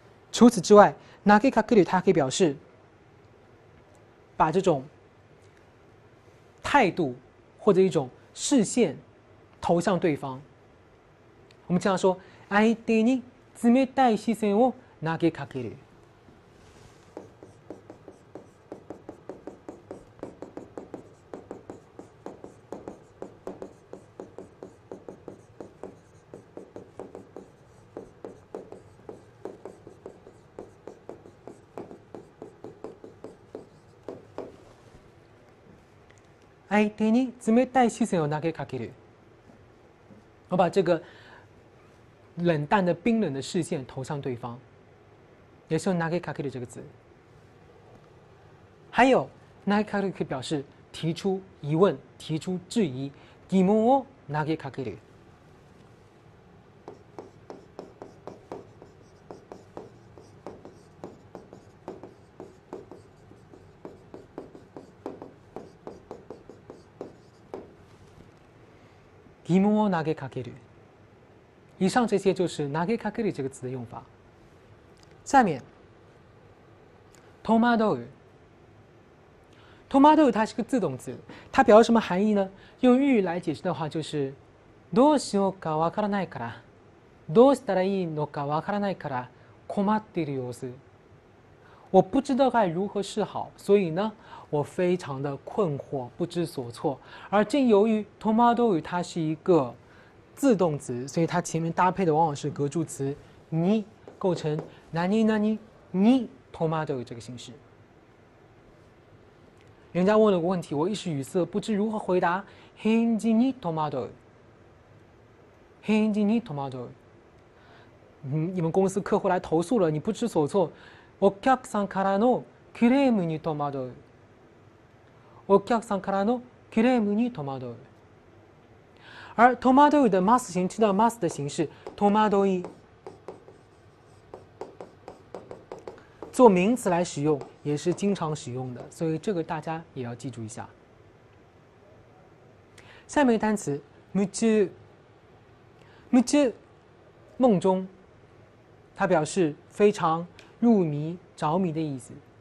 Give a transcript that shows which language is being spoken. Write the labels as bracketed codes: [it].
[zh] 除此之外，投げかける它可以表示把这种态度或者一种视线投向对方。我们经常说 [ja] 相手に冷たい視線を投げかける。相手に冷たい視線を投げかける。 [zh] 我把这个冷淡的、冰冷的视线投向对方，也是用投げかける这个字。还有投げかける可以表示提出疑问、提出质疑。 [ja] 疑問を投げかける。疑問を投げかける。 [zh] 以上这些就是投げかける这个词的用法。下面，戸惑う。戸惑う它是个自动词，它表示什么含义呢？用日语来解释的话就是 [ja] どうしようかわからないから、どうしたらいいのかわからないから困っている様子。 [zh] 我不知道该如何是好，所以呢，我非常的困惑，不知所措。而正由于 tomodoro 它是一个自动词，所以它前面搭配的往往是格助词你，构成何々に tomodoro 这个形式。人家问了个问题，我一时语塞，不知如何回答。 [ja] 返事に tomodoro， 返事に tomodoro。 [zh] 你们公司客户来投诉了，你不知所措。 [ja] お客さんからのクレームに戸惑う。お客さんからのクレームに戸惑う。 [zh] 而戸惑う的マス形、听到マス的形式、戸惑い。做名词来使用、也是经常使用的、所以这个大家也要记住一下。下面单词、夢中。夢中、梦中。它表示非常入迷、着迷的意思。